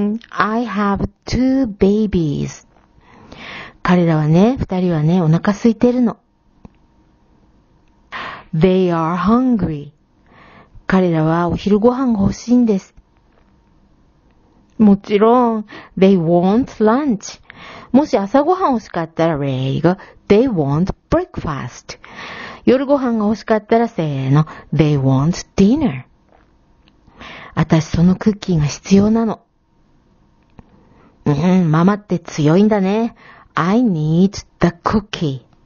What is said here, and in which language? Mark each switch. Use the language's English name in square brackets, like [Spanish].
[English] I have two babies. [Japanese] 彼らはね、二人はね、お腹空いてるの。 [English] They are hungry. [Japanese] 彼らはお昼ご飯が欲しいんです。もちろん、 [English] they want lunch. [Japanese] もし朝ご飯欲しかったら、 [English] they go, they want breakfast. [Japanese] 夜ご飯が欲しかったら、せーの、 [English] they want dinner. [Japanese] 私そのクッキーが必要なの。ママって強いんだね。 [English] I need the cookie.